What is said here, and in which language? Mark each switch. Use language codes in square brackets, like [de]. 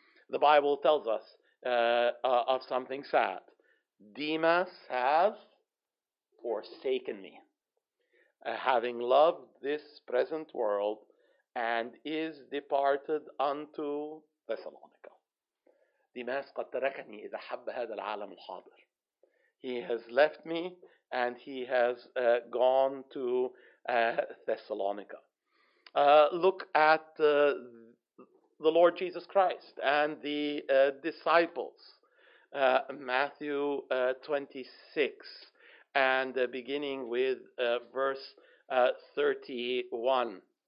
[en] The Bible tells us of something sad. Demas has forsaken me, having loved this present world, and is departed unto Thessalonica. [ar] Demas قد تركني إذا حب هذا العالم الحاضر. [en] He has left me and he has gone to Thessalonica. Look at the Lord Jesus Christ and the disciples. Matthew 26 and beginning with verse 31.